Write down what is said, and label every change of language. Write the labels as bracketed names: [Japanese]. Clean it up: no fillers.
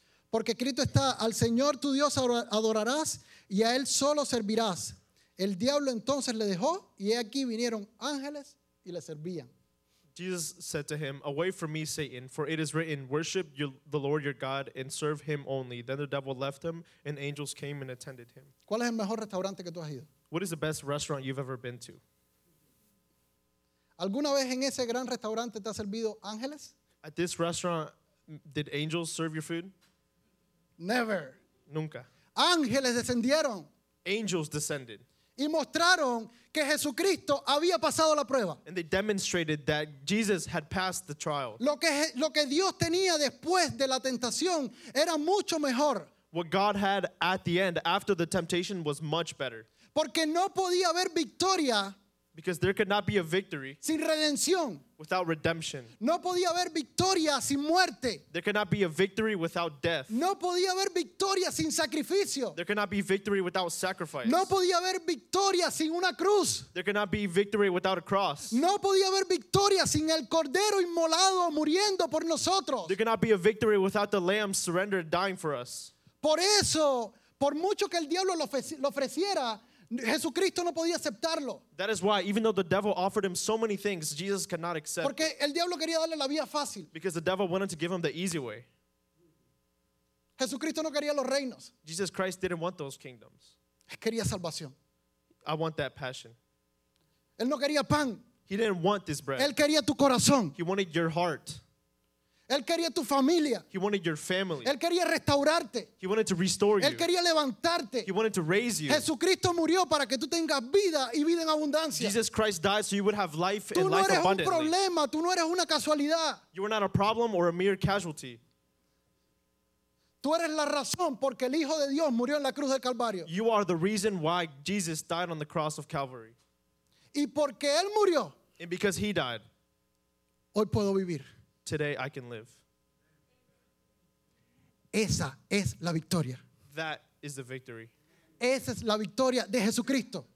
[Spanish] Porque escrito está, al Señor tu Dios adorarás y a Él solo servirás. El diablo entonces le dejó y he aquí vinieron ángeles y le servían. [English] Jesus said to him, away from me, Satan, for it is written, worship the Lord your God and serve him only. Then the devil left him and angels came and attended him. [Spanish] ¿Cuál es el mejor restaurante que tú has ido? [English] What is the best restaurant you've ever been to? [Spanish] ¿Alguna vez en ese gran restaurante te ha servido ángeles? [English] At this restaurant, did angels serve your food? Never. [Spanish] Nunca. Ángeles descendieron. [English] Angels descended. [Spanish] Y mostraron que Jesucristo había pasado la prueba. [English] And they demonstrated that Jesus had passed the trial. [Spanish] Lo que Dios tenía después de la tentación era mucho mejor. [English] What God had at the end, after the temptation, was much better. [Spanish] Porque no podía haber victoria. [English] Because there could not be a victory [Spanish] sin redención. [English] Without redemption. [Spanish] No podía haber victoria sin muerte. [English] There could not be a victory without death. [Spanish] No podía haber victoria sin sacrificio. [English] There could not be victory without sacrifice. [Spanish] No podía haber victoria sin una cruz. [English] There could not be victory without a cross. [Spanish] No podía haber victoria sin el cordero inmolado muriendo por nosotros. [English] There could not be a victory without the lamb surrendered dying for us. [Spanish] Por eso, por mucho que el diablo lo ofreciera, Jesucristo no podía aceptarlo. [English] That is why, even though the devil offered him so many things, Jesus could not accept. [Spanish] Porque el diablo quería darle la vía fácil. [English] Because the devil wanted to give him the easy way. [Spanish] Jesucristo no quería los reinos. [English] Jesus Christ didn't want those kingdoms. [Spanish] Él quería salvación. [English] I want that passion. [Spanish] Él no quería pan. [English] He didn't want this bread. [Spanish] Él quería tu corazón. [English] He wanted your heart. [Spanish] Él quería tu familia. [English] He wanted your family. [Spanish] Él quería restaurarte. [English] He wanted to restore you. [Spanish] Él quería levantarte. [English] He wanted to raise you. [Spanish] Jesucristo murió para que tú tengas vida y vida en abundancia. [English] Jesus Christ died so you would have life [Spanish] tú [English] and [Spanish] no [English] life [Spanish] eres [English] abundantly. [Spanish] Un problema, tú no eres una casualidad. [English] You are not a problem or a mere casualty. [Spanish] Tú eres la razón porque el Hijo de Dios murió en la cruz del Calvario. [English] You are the reason why Jesus died on the cross of Calvary. [Spanish] Y porque Él murió. [English] And because He died. [Spanish] Hoy puedo vivir. [English] Today I can live. [Spanish] Esa es la victoria. [English] That is the victory. [Spanish] Esa es la victoria de Jesucristo.